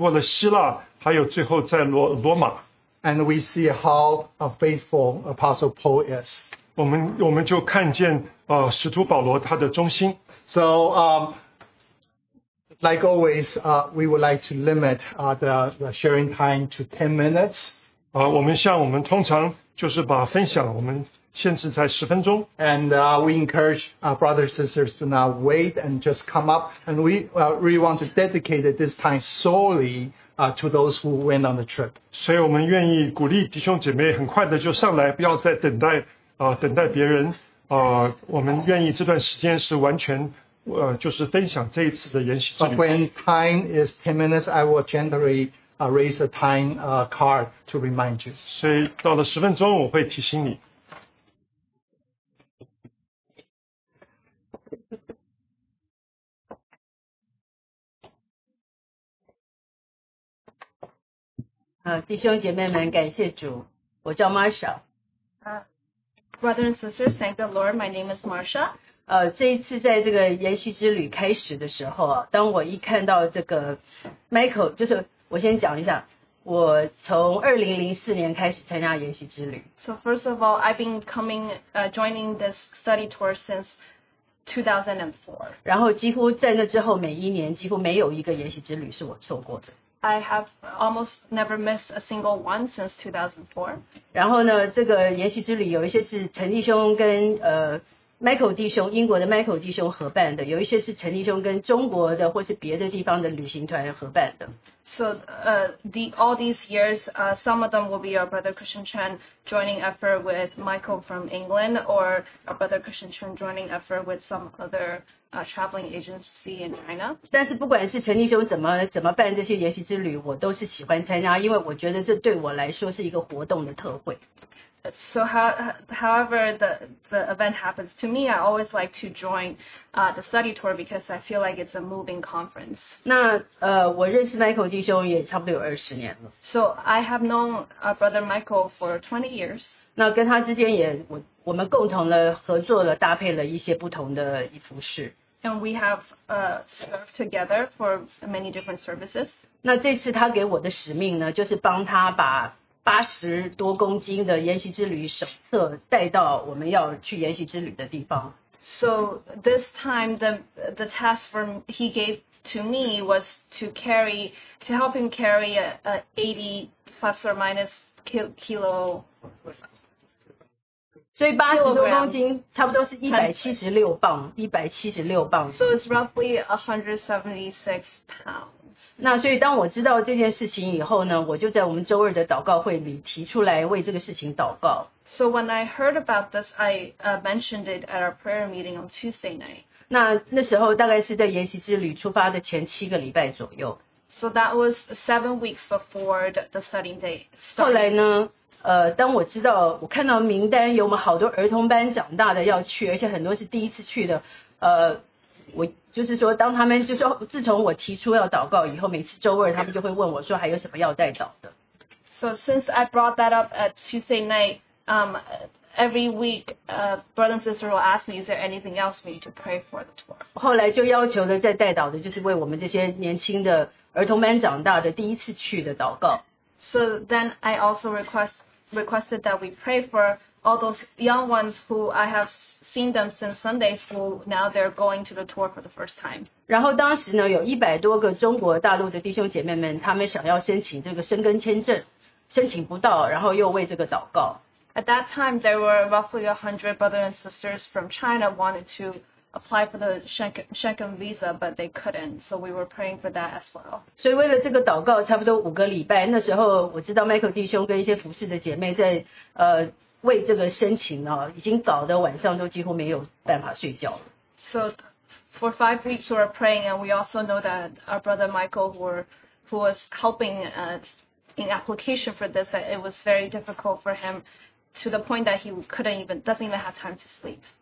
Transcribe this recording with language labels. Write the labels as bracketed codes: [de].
[zh] 就如同他们经过了土耳其，经过了希腊，还有最后在罗马。 [en] And we see how faithful Apostle Paul is. [zh] 我们就看见使徒保罗他的忠心。 [en] So like always, we would like to limit the sharing time to 10 minutes. [zh] 我们通常就是把分享我们 [en] And we encourage our brothers and sisters to not wait and just come up. And we really want to dedicate this time solely to those who went on the trip. [zh] 所以我们愿意鼓励弟兄姐妹很快的就上来，不要再等待别人。我们愿意这段时间是完全就是分享这一次的研习之旅。 [en] But when time is 10 minutes, I will gently raise a time card to remind you. [zh] 所以到了10分钟我会提醒你。弟兄姐妹们，感谢主，我叫 Marsha。 [en] Brothers and sisters, thank the Lord. My name is Marsha. [zh] 这一次在这个研习之旅开始的时候啊，当我一看到这个 Michael， 就是我先讲一下，我从2004年开始参加研习之旅。 [en] So first of all, I've been coming, joining this study tour since 2004. [zh] 然后几乎在那之后，每一年几乎没有一个研习之旅是我错过的。 [en] I have almost never missed a single one since 2004. [zh] 然后呢，这个研习之旅有一些是陈弟兄跟Michael 弟兄，英国的 Michael 弟兄合办的，有一些是陈弟兄跟中国的或是别的地方的旅行团合办的。 [en] So, all these years, some of them will be our brother Christian Chen joining effort with Michael from England, or our brother Christian Chen joining effort with some other traveling agency in China. [zh] 但是不管是陈弟兄怎么办这些研习之旅，我都是喜欢参加，因为我觉得这对我来说是一个活动的特会。 [en] So however the event happens to me, I always like to join the study tour because I feel like it's a moving conference. [zh] 那我认识 Michael 弟兄也差不多有20年了。 [en] So I have known brother Michael for 20 years. [zh] 那跟他之间也我们共同的合作了搭配了一些不同的服饰。 [en] And we have served together for many different services. [zh] 那这次他给我的使命呢，就是帮他把80多公斤的研习之旅手册带到我们要去研习之旅的地方。 [en] So this time the task for he gave to me was to help him carry a 80 plus or minus kilo. [zh] 所以80多公斤差不多是176磅，176磅。 [en] So it's roughly 176 pounds. [zh] 那所以当我知道这件事情以后呢，我就在我们周二的祷告会里提出来为这个事情祷告。 [en] So when I heard about this, I mentioned it at our prayer meeting on Tuesday night. [zh] 那时候大概是在研习之旅出发的前7个礼拜左右。 [en] So that was 7 weeks before the studying day. [zh] 后来呢，当我知道我看到名单有我们好多儿童班长大的要去，而且很多是第一次去的，我就是说当他们就说自从我提出要祷告以后，每次周二他们就会问我说还有什么要带祷的。 [en] So since I brought that up at Tuesday night, every week, brother and sister will ask me, is there anything else for you to pray for the tour? [zh] 后来就要求的在带祷的就是为我们这些年轻的儿童班长大的第一次去的祷告。 [en] So then I also requested that we pray for all those young ones who I have seen them since Sunday school, now they're going to the tour for the first time. [zh] 然后当时呢，有100多个中国大陆的弟兄姐妹们，他们想要申请这个申根签证，申请不到，然后又为这个祷告。 [en] At that time, there were roughly 100 brothers and sisters from China wanted to apply for the Schengen visa, but they couldn't, so we were praying for that as well. [zh] 所以为了这个祷告，差不多5个礼拜，那时候我知道 Michael 弟兄跟一些服侍的姐妹在为这个申请啊，已经搞得晚上都几乎没有办法睡觉了。 [en] So for 5 weeks we were praying, and we also know that our brother Michael who was helping in application for this, it was very difficult for him to the point that he doesn't even have time to sleep.